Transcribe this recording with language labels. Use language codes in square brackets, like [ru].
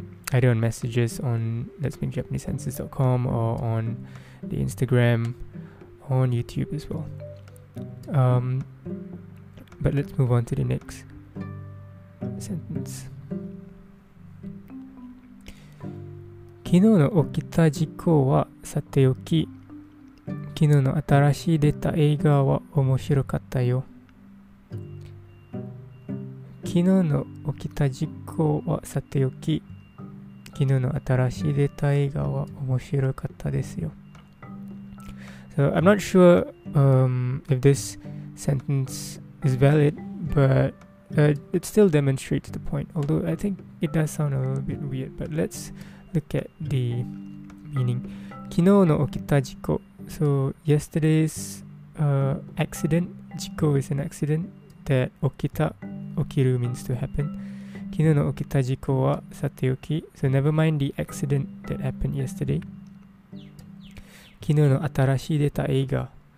[en] Either on messages on letsmakejapanesesentences.com or on the Instagram or on YouTube as well. But let's move on to the next sentence. [ja] 昨日の起きた事故はさておき、昨日の新しい出た映画は面白かったよ。昨日の起きた事故はさておき、昨日の新しい出た映画は面白かったですよ。 [en] So I'm not sure if this sentence is valid, but It still demonstrates the point, although I think it does sound a little bit weird, but let's look at the meaning. [ja] 昨日の起きた事故. [en] So yesterday's accident, 事故 is an accident, that 起きた, 起きる means to happen. [ja] 昨日の起きた事故はさておき. [en] So never mind the accident that happened yesterday. [ja] 昨日の新しい出た映画.